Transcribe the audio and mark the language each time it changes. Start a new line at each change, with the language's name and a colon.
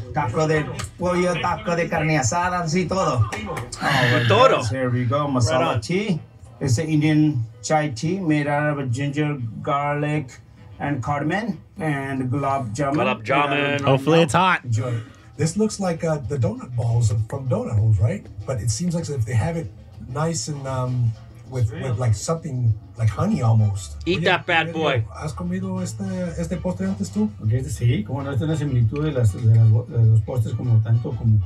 Spanish: Taco de pollo, taco de carne asada, sí, todo. Todo.
English: Here we go. Masala tea. It's an Indian chai tea made out of ginger, garlic, and cardamom, and gulab jamun. Gulab jamun. Hopefully it's hot. Enjoy. This looks like the donut balls from Donut Holes, right? But it seems like if they have it nice and with like something like honey almost. Eat that bad boy.
Spanish: ¿Has comido este postre antes tú? Okay, sí, como no es una similitud de los postres como tanto como.